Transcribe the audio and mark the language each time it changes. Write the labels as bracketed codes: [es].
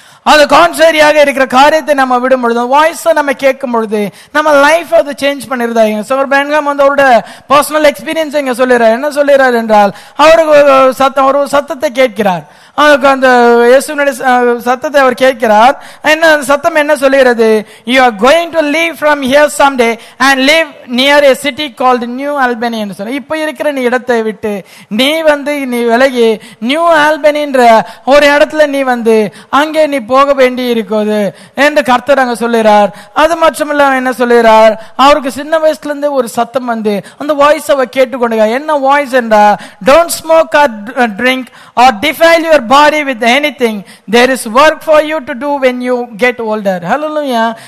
[ta] அது கான்ட்ரரியாக இருக்கிற காரியத்தை நம்ம விடும் பொழுது, வாய்ஸை நம்ம கேட்கும் பொழுது நம்ம லைஃப் அது சேஞ்ச் பண்ணிருந்தா. சிவர் பெண்கம் வந்து அவரோட பர்சனல் எக்ஸ்பீரியன்ஸ் இங்க சொல்லிடுறார். என்ன சொல்லிடுறார் என்றால், அவருக்கு ஒரு சத்தம், ஒரு சத்தத்தை கேட்கிறார். அந்த இயேசுனுடைய சத்தத்தை அவர் கேட்கிறார். என்ன சத்தம் என்ன சொல்லுகிறது? [en] You are going to leave from here someday and live near a city called New Albany. [ta] இப்ப இருக்கிற நீ இடத்தை விட்டு நீ வந்து நீ விலகி நியூ ஆல்பனின்ற ஒரு இடத்துல நீ வந்து அங்கே நீ போக வேண்டி இருக்கிறது என்று கர்த்தர் அங்க சொல்லுகிறார். அது மட்டுமில்ல, என்ன சொல்லுகிறார், அவருக்கு சின்ன வயசுல இருந்து ஒரு சத்தம் வந்து அந்த வாய்ஸ் அவ கேட்டுக்கொண்டு என்ன வாய்ஸ் என்றா, [en] Don't smoke or drink or defile your body with any thing, there is work for you to do when you get older. Hallelujah.